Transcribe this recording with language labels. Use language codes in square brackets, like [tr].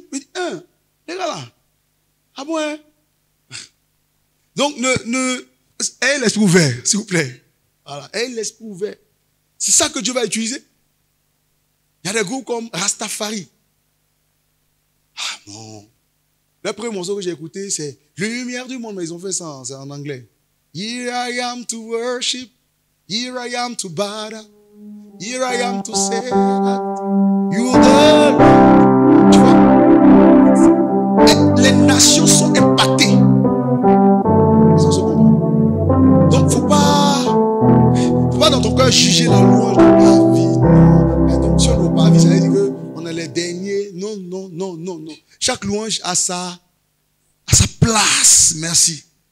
[fr] Il dit, les gars là. Ah bon, hein? Donc, ne. Ayez l'esprit ouvert, s'il vous plaît. Voilà. Ayez l'esprit ouvert. C'est ça que Dieu va utiliser. Il y a des groupes comme Rastafari. Ah non. Le premier morceau que j'ai écouté, c'est Lumière du monde, mais ils ont fait ça, c'est en anglais. [en] Here I am to worship, here I am to bow, here I am to say that you are the Lord. [fr] Tu vois? Et les nations sont impactées. Ils ont ce moment. Donc, faut pas dans ton cœur juger la louange de ma vie. Mais donc, si on n'a pas vu, ça veut dire qu'on est les derniers. Non. Chaque louange a ça. À sa place, merci.